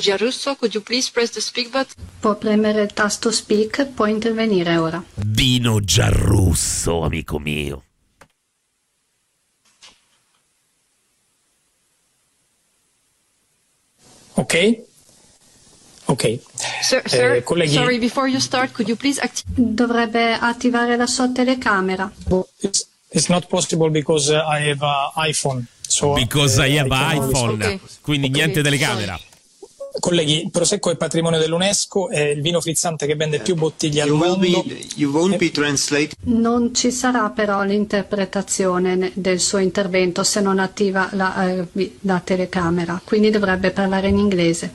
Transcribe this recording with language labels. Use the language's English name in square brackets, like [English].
[English] Giarrusso, could you please press the speak button? [Italian] Può premere il tasto speak, può intervenire ora. Dino Giarrusso, amico mio. Ok. Ok. [English] Sir, colleghi... sorry, before you start, could you please [Italian] Dovrebbe attivare la sua telecamera. [English] It's not possible because I have an iPhone. So, because I have an iPhone. Okay. [Italian] Quindi okay. niente telecamera. [English] Sorry. [Italian] Colleghi, Prosecco è patrimonio dell'UNESCO, è il vino frizzante che vende più bottiglie al mondo. [English] You won't be translated. [Italian] Non ci sarà però l'interpretazione del suo intervento se non attiva la telecamera, quindi dovrebbe parlare in inglese.